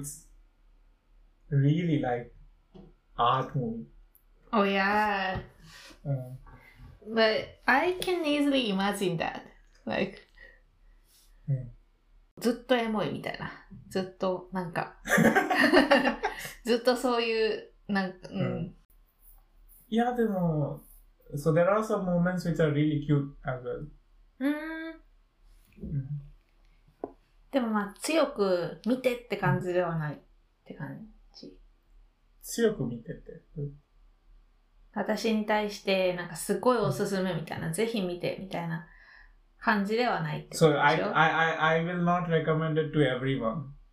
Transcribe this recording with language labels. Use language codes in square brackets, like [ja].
[en] It's,really like art movie. Oh yeah. But I can easily imagine that. Like, [ja] ずっとエモいみたいな。ずっとなんか、ずっとそういうなんか。いやでも、 [en] so there are some moments which are really cute as well. [ja] でもまあ強く見てって感じではないって感じ。強く見てて、うん、私に対してなんかすごいおすすめみたいな、ぜひ見てみたいな感じではないってことでしょ。 [en] So I will not recommend it to everyone.